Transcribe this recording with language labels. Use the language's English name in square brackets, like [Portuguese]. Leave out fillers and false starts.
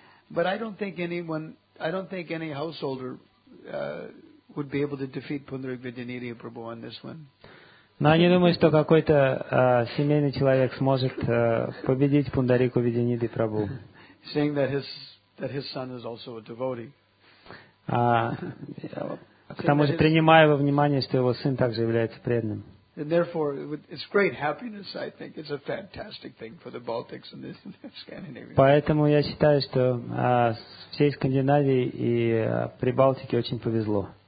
[English] But I don't think anyone, I don't think any householder would be able to defeat Pundarik Vidyanidhi Prabhu on this one. [Russian] Но я не думаю, что какой-то семейный человек сможет победить Пундарику Видянидхи Прабху. [English] Saying that his son is also a devotee. [Russian] К тому же, принимая во внимание, что его сын также является преданным. [English] And therefore, it's great happiness, I think. It's a fantastic thing for the Baltics and this Scandinavia. [Russian] Поэтому я считаю, что всей Скандинавии и Прибалтике очень повезло.